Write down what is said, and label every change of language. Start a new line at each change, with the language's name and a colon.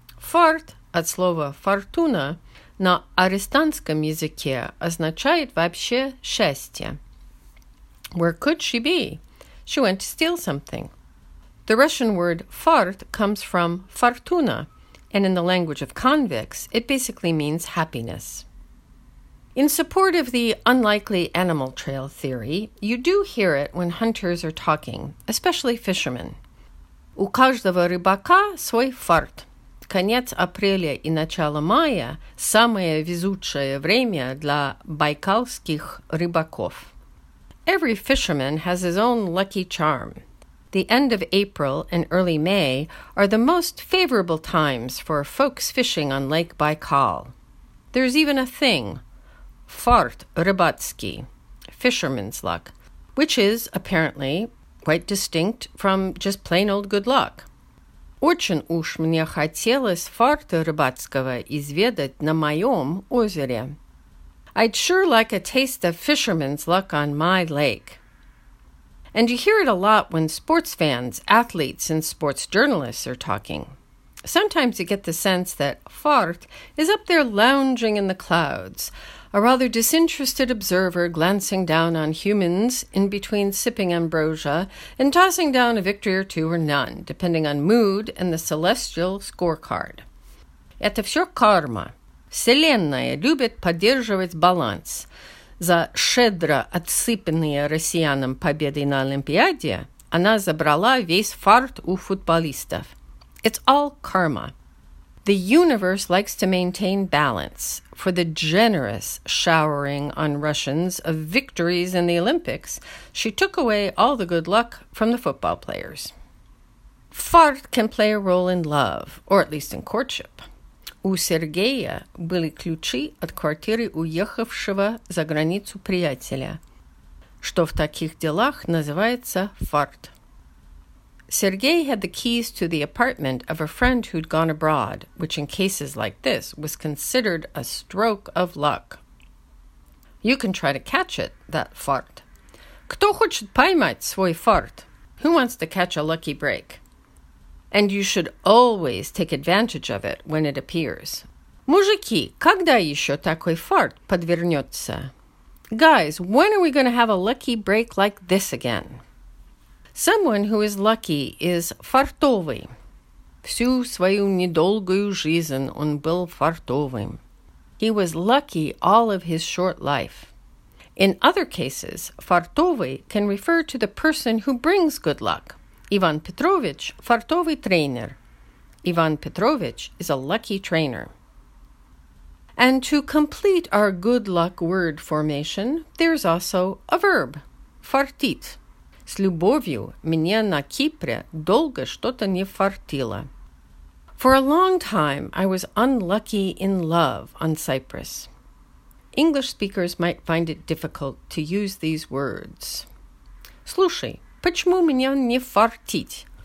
Russian: Фарт, от слова «фортуна», на арестантском языке означает вообще счастье.
English: Where could she be? She went to steal something. The Russian word fart comes from fortuna, and in the language of convicts, it basically means happiness. In support of the unlikely animal trail theory, you do hear it when hunters are talking, especially fishermen.
Russian: У каждого рыбака свой фарт. Конец апреля и начало мая – самое везучее время для байкальских рыбаков.
English: Every fisherman has his own lucky charm. The end of April and early May are the most favorable times for folks fishing on Lake Baikal. There's even a thing –
Russian: «фарт рыбацкий»
English: – fisherman's luck, which is, apparently, quite distinct from just plain old good luck.
Russian: Очень уж мне хотелось фарта рыбацкого изведать на моем озере.
English: I'd sure like a taste of fisherman's luck on my lake. And you hear it a lot when sports fans, athletes, and sports journalists are talking. Sometimes you get the sense that fart is up there lounging in the clouds, a rather disinterested observer glancing down on humans in between sipping ambrosia and tossing down a victory or two or none, depending on mood and the celestial scorecard.
Russian: Это все карма. Вселенная любит поддерживать баланс. За щедро отсыпанные россиянам победы на Олимпиаде она забрала весь фарт у футболистов.
English: It's all karma. The universe likes to maintain balance for the generous showering on Russians of victories in the Olympics. She took away all the good luck from the football players. Fart can play a role in love, or at least in courtship.
Russian: У Сергея были ключи от квартиры уехавшего за границу приятеля, что в таких делах называется фарт.
English: Sergei had the keys to the apartment of a friend who'd gone abroad, which in cases like this was considered a stroke of luck. You can try to catch it, that fart.
Russian: Кто хочет поймать свой фарт?
English: Who wants to catch a lucky break? And you should always take advantage of it when it appears.
Russian: Мужики, когда еще такой фарт подвернется?
English: Guys, when are we going to have a lucky break like this again? Someone who is lucky is фартовый.
Russian: Всю свою недолгую жизнь он был фартовым.
English: He was lucky all of his short life. In other cases, фартовый can refer to the person who brings good luck.
Russian: Иван Петрович – фартовый тренер. Иван Петрович
English: is a lucky trainer. And to complete our good luck word formation, there's also a verb, fartit.
Russian: С любовью меня на Кипре долго что-то не фартило.
English: For a long time, I was unlucky in love on Cyprus. English speakers might find it difficult to use these words.
Russian: Слушай, почему меня не фартит?